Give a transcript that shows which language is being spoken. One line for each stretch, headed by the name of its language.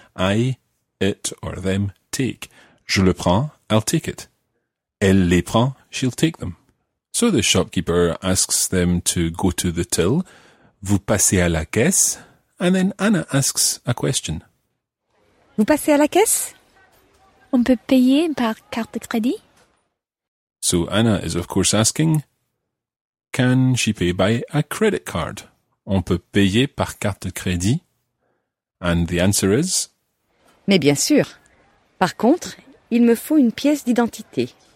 English: I, it or them, take.
French: Je le prends,
English: I'll take it.
French: Elle les prend,
English: she'll take them. So the shopkeeper asks them to go to the till.
French: Vous passez à la caisse?
English: And then Anna asks a question.
French: Vous passez à la caisse? On peut payer par carte de crédit?
English: So Anna is of course asking, can she pay by a credit card?
French: On peut payer par carte de crédit?
English: And the answer is?
French: Mais bien sûr. Par contre, il me faut une pièce d'identité.